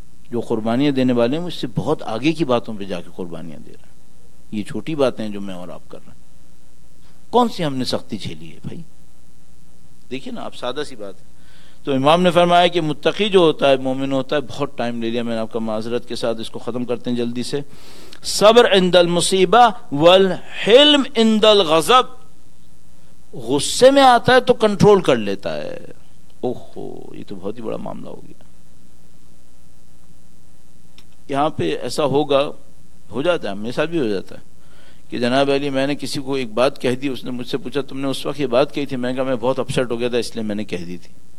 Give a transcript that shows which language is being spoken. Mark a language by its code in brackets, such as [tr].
[ur] جو قربانیاں دینے والے ہیں وہ اس سے بہت آگے کی باتوں پہ جا کے قربانیاں دے رہے ہیں. یہ چھوٹی باتیں ہیں جو میں اور آپ کر رہے ہیں. کون سی ہم نے سختی جھیلی ہے بھائی؟ دیکھیں نا آپ، سادہ سی بات ہے. تو امام نے فرمایا کہ متقی جو ہوتا ہے، مومن ہوتا ہے، بہت ٹائم لے لیا میں نے آپ کا، معذرت کے ساتھ اس کو ختم کرتے ہیں جلدی سے. [ar] صبر عند المصیبہ والحلم عند الغضب. [ur] غصے میں آتا ہے تو کنٹرول کر لیتا ہے. اوہ یہ تو بہت ہی بڑا معاملہ ہو گیا. یہاں پہ ایسا ہوگا، ہو جاتا ہے، میرے ساتھ بھی ہو جاتا ہے کہ جناب علی میں نے کسی کو ایک بات کہہ دی، اس نے مجھ سے پوچھا تم نے اس وقت یہ بات کہی تھی، میں کہا میں بہت اپسٹ ہو گیا تھا اس لیے میں نے کہہ دی تھی.